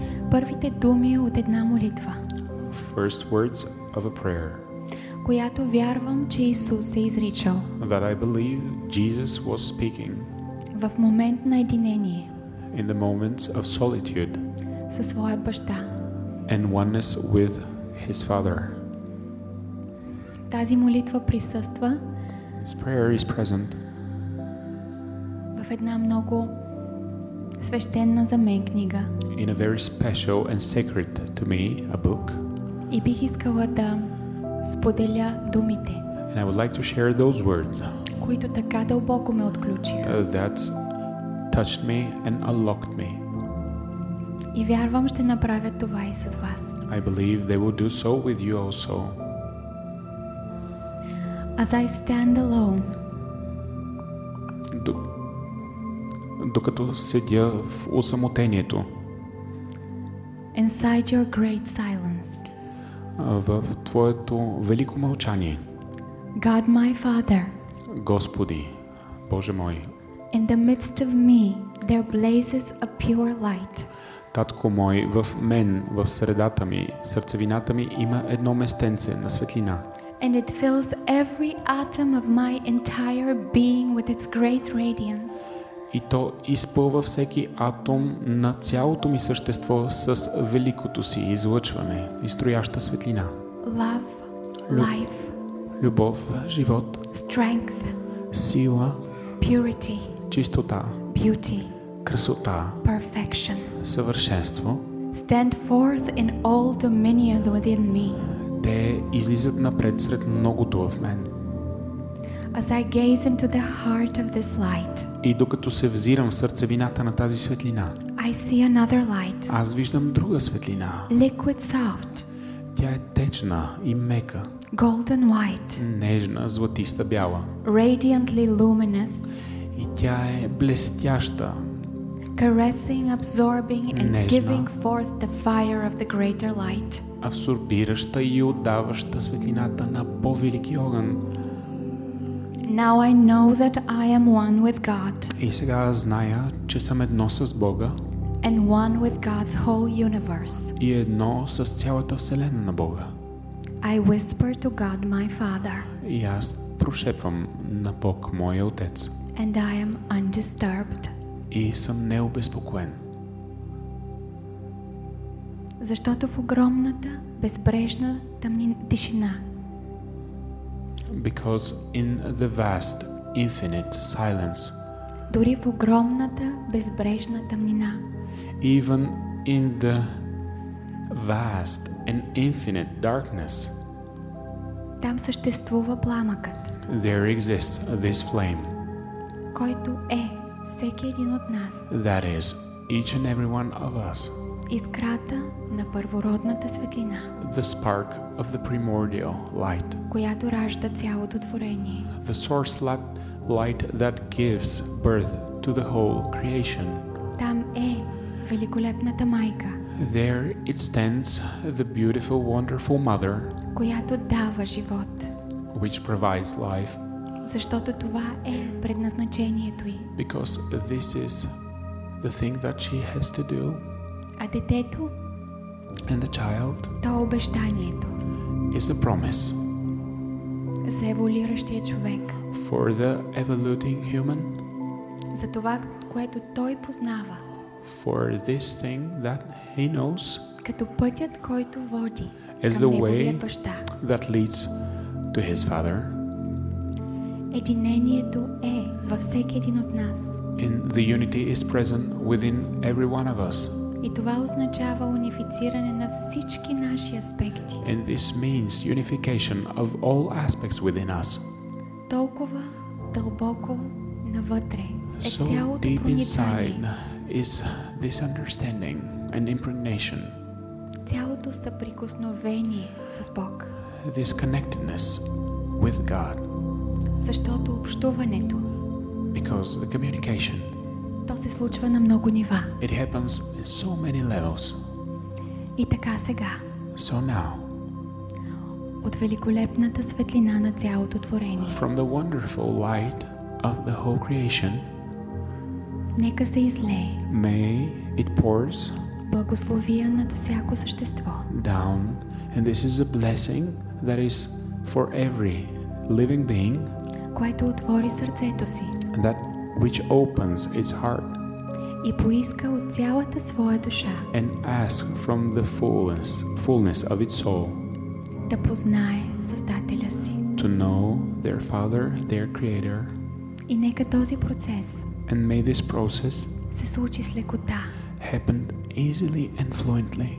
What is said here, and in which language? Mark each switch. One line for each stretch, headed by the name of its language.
Bulgarian: Първите думи от една молитва.
English: First words of a prayer.
Bulgarian: Която вярвам, че Исус е изричал.
English: That I believe Jesus was speaking.
Bulgarian: В момент на единение.
English: In the moments of solitude.
Bulgarian: Със своя баща.
English: And oneness with his father.
Bulgarian: Тази молитва присъства.
English: This prayer is present.
Bulgarian: В една много свещена за мен книга.
English: In a very special and sacred to me a book.
Bulgarian: И бих искала да споделя думите.
English: And I would like to share those words.
Bulgarian: Които така дълбоко ме отключиха.
English: That touched me and unlocked me.
Bulgarian: И вярвам, ще направят това и с вас.
English: I believe they will do so with you also. As I stand alone.
Bulgarian: Докато седя в усамотението.
English: Inside your great silence.
Bulgarian: В твоето велико мълчание.
English: God my Father.
Bulgarian: Господи, Боже мой.
English: In the midst of me there blazes a pure light.
Bulgarian: Татко мой, в мен, в средата ми, сърцевината ми има едно местенце на светлина.
English: And it fills every atom of my entire being with its great radiance.
Bulgarian: И то изпълва всеки атом на цялото ми същество с великото си излъчване, изтрояща светлина.
English: Love, life.
Bulgarian: Любов, живот.
English: Strength.
Bulgarian: Сила.
English: Purity.
Bulgarian: Чистота.
English: Beauty.
Bulgarian: Красота.
English: Perfection.
Bulgarian: Съвършенство.
English: Stand forth in all dominion within me.
Bulgarian: Те излизат напред сред многото в мен.
English: As I gaze into the heart of this light.
Bulgarian: И докато се взирам в сърцевината на тази светлина.
English: I see another light.
Bulgarian: Аз виждам друга светлина.
English: Liquid soft.
Bulgarian: Тя е течна и мека.
English: Golden white.
Bulgarian: Нежна, златиста бяла.
English: Radiantly luminous.
Bulgarian: И тя е блестяща.
English: Caressing, absorbing and giving forth the fire of the greater light.
Bulgarian: Абсорбираща и отдаваща светлината на по-велики огън.
English: Now I know that I am one with God.
Bulgarian: И сега зная, че съм едно с Бога.
English: And one with God's whole universe.
Bulgarian: И едно с цялата вселена на Бога.
English: I whisper to God, my Father.
Bulgarian: И аз прошепвам на Бог, моя Отец.
English: And I am undisturbed.
Bulgarian: И съм необезпокоен. Защото в огромната, безбрежна тишина.
English: Because in the vast, infinite silence.
Bulgarian: Дори в огромната, безбрежна тъмнина.
English: Even in the vast and infinite darkness.
Bulgarian: Там съществува пламъкът.
English: There exists this flame.
Bulgarian: Който е всеки един от нас.
English: That is each and every one of us.
Bulgarian: Искрата на първородната светлина.
English: The spark of the primordial light.
Bulgarian: Която ражда цялото творение.
English: The source light that gives birth to the whole creation.
Bulgarian: Там е великолепната майка.
English: There it stands, the beautiful, wonderful mother.
Bulgarian: Която дава живот.
English: Which provides life.
Bulgarian: Защото това е предназначението ѝ.
English: Because this is the thing that she has to do.
Bulgarian: А детето?
English: And the child?
Bulgarian: То е обещанието.
English: Is a promise.
Bulgarian: За еволюиращия човек.
English: For the evolving human.
Bulgarian: За това, което той познава.
English: For this thing that he knows.
Bulgarian: Като пътят, който води.
English: As the way that leads to his father.
Bulgarian: Единението е във всеки един от нас.
English: And the unity is present within every one of us.
Bulgarian: И това означава унифициране на всички наши аспекти.
English: And this means unification of all aspects within us.
Bulgarian: Толкова дълбоко навътре е цялото проникване.
English: So deep inside is this understanding and impregnation.
Bulgarian: Цялото съприкосновение с Бог.
English: This connectedness with God.
Bulgarian: Защото общуването.
English: Because the communication.
Bulgarian: То се случва на много нива.
English: It happens in so many levels.
Bulgarian: И така сега.
English: So now.
Bulgarian: От великолепната светлина на цялото творение.
English: From the wonderful light of the whole creation.
Bulgarian: Нека се излее.
English: May it pours.
Bulgarian: Благословия над всяко същество.
English: Down. And this is a blessing that is for every living being.
Bulgarian: Което отвори сърцето си.
English: That which opens its heart.
Bulgarian: И поиска от цялата своя душа.
English: And ask from the fullness of its soul.
Bulgarian: Да познае Създателя си.
English: To know their Father, their Creator.
Bulgarian: И нека този процес.
English: And may this process.
Bulgarian: Се случи с лекота.
English: Happen easily and fluently.